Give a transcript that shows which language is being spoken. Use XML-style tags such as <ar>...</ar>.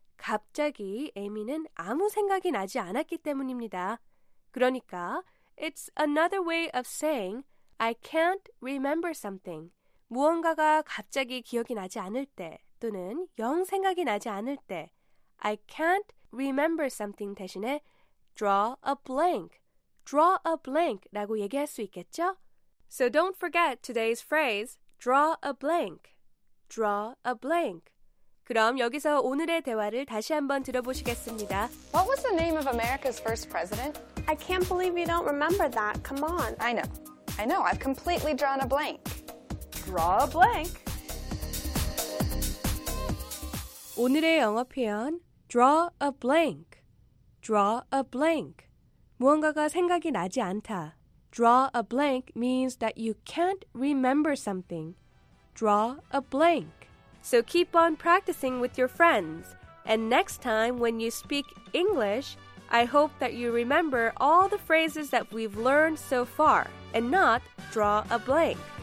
<ko>갑자기 에이미는 아무 생각이 나지 않았기 때문입니다.</ko> <en>그러니까, It's another way of saying, I can't remember something.</en> <ko>무언가가 갑자기 기억이 나지 않을 때, 또는 영 생각이 나지 않을 때,</ko> <en>I can't remember something</en> <ko>대신에 draw a blank 라고 얘기할 수 있겠죠?</ko> <en>So don't forget today's phrase, draw a blank. Draw a blank.</en> <ko>그럼 여기서 오늘의 대화를 다시 한번 들어보시겠습니다.</ko> <en>What was the name of America's first president? I can't believe you don't remember that. Come on. I know. I've completely drawn a blank. Draw a blank.</en> <ko>오늘의 영어 표현,</ko> <en>draw a blank. Draw a blank.</en> <ko>무언가가 생각이 나지 않다.</ko> <en>Draw a blank means that you can't remember something. Draw a blank. So keep on practicing with your friends. And next time when you speak English, I hope that you remember all the phrases that we've learned so far and not draw a blank.</en>